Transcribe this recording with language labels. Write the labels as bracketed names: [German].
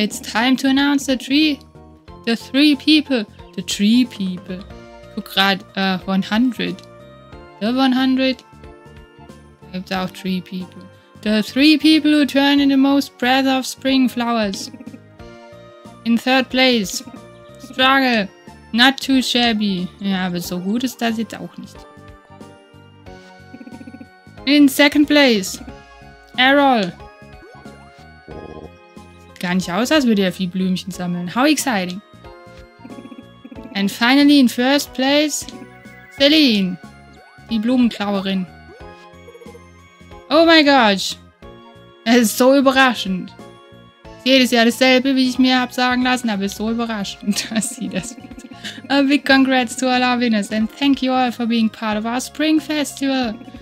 [English] It's time to announce the tree. The three people. The tree people. [German] Ich guck grad, [English] 100. The 100. [German] Da gibt's auch [English] tree people. The three people who turn in the most breath of spring flowers. In third place. Struggle. Not too shabby. [German] Ja, aber so gut ist das jetzt auch nicht. [English] In second place. Errol. [German] Sieht gar nicht aus, als würde er viel Blümchen sammeln. [English] How exciting. And finally in first place, Celine, [German] die Blumenklauerin. [English] Oh my gosh, [German] es ist so überraschend. Jedes Jahr dasselbe, wie ich mir habe sagen lassen, aber es ist so überraschend, dass sie das wird. [English] A big congrats to all our winners and thank you all for being part of our Spring Festival.